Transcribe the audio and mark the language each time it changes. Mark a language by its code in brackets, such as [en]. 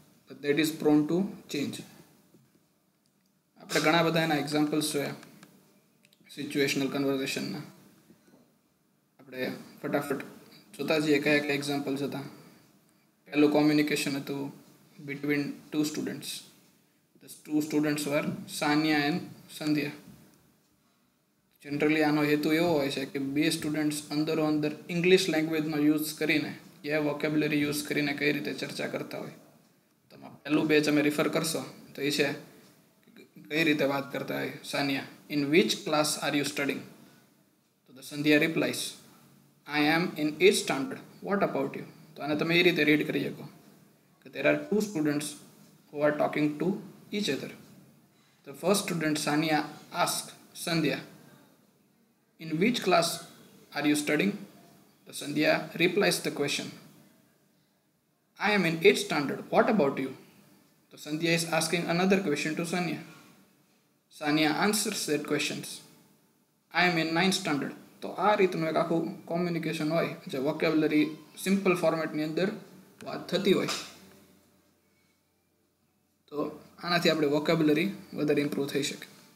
[en] That is prone to change. [gu] આપણે ઘણા બધા એના એક્ઝામ્પલ્સ જોયા સિચ્યુએશનલ કન્વર્ઝેશનના. આપણે ફટાફટ જોતા જઈએ કયા કયા એક્ઝામ્પલ્સ હતા. પહેલું કોમ્યુનિકેશન હતું [en] between two students. The two students were Sanya and Sandhya. [gu] Generally આનો હેતુ એવો હોય છે કે બે સ્ટુડન્ટ્સ અંદરો અંદર ઇંગ્લિશ લેંગ્વેજમાં યુઝ કરીને એ વોકેબ્યુલરી યુઝ કરીને કઈ રીતે ચર્ચા કરતા હોય. તમે પહેલું બેચ અમે રિફર કરશો તો એ છે કઈ રીતે વાત કરતા હોય Sania, [en] In which class are you studying? તો the Sandhya replies, I am in 8th standard, what about you? [gu] તો આને તમે એ રીતે રીડ કરી શકો કે [en] There are two students who are talking to each other. The first student Sanya ask Sandhya, In which class are you studying? The Sandhya replies the question. I am in 8th standard. What about you? The Sandhya is asking another question to Sanya. Sanya answers that questions. I am in 9th standard. [gu] So, આ રીતનું એક આખું communication હોય જે vocabulary simple ફોર્મેટની અંદર વાત થતી હોય. તો આનાથી આપણે વોકેબ્યુલરી વધારે ઇમ્પ્રૂવ થઈ શકે.